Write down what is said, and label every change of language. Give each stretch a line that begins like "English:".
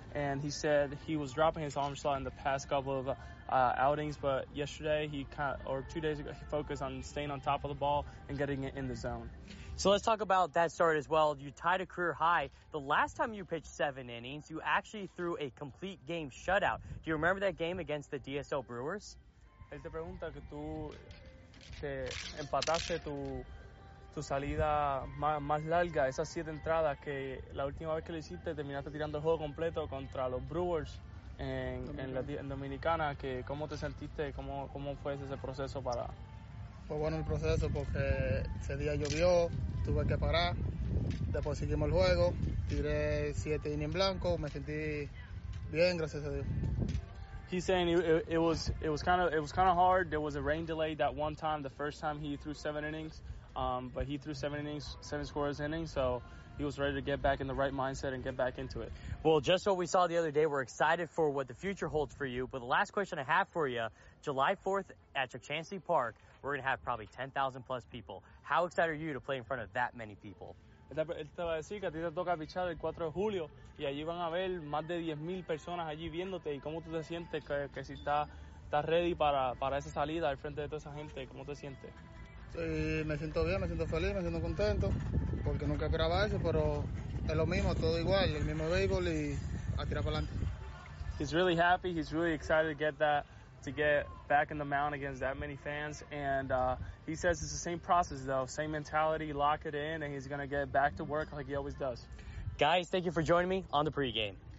English: And he said he was dropping his arm slot in the past couple of outings, but yesterday, two days ago, he focused on staying on top of the ball and getting it in the zone. So let's talk about that start as well. You tied a career high. The last time you pitched 7 innings, you actually threw a complete game shutout. Do you remember that game against the DSO Brewers?
Spanish: Él te pregunta que tú... que empataste tu salida más larga, esas 7 entradas, que la última vez que lo hiciste terminaste tirando el juego completo contra los Brewers en Dominicana. Que cómo te sentiste, cómo fue ese proceso para... Fue bueno el proceso porque ese día llovió, tuve que parar, después seguimos el juego, tiré 7 innings blanco, me sentí bien, gracias a Dios.
English: He's saying it was kind of hard. There was a rain delay that one time, the first time he threw 7 innings. But he threw 7 innings, 7 scoreless innings. So he was ready to get back in the right mindset and get back into it. Well, just what we saw the other day, we're excited for what the future holds for you. But the last question I have for you, July 4th at Chancy Park, we're going to have probably 10,000 plus people. How excited are you to play in front of that many people?
Spanish: Él te va a decir que a ti te toca pichar el 4 de julio y allí van a haber más de 10,000 personas allí viéndote. ¿Y cómo tú te sientes que si estás ready para esa salida al frente de toda esa gente? ¿Cómo te sientes? Sí, me siento bien, me siento feliz, me siento contento porque nunca esperaba eso, pero es lo mismo, todo igual, el mismo béisbol y a tirar para adelante.
English: He's really happy, he's really excited to get back in the mound against that many fans, and he says it's the same process though, same mentality, lock it in, and he's gonna get back to work like he always does. Guys, thank you for joining me on the pregame.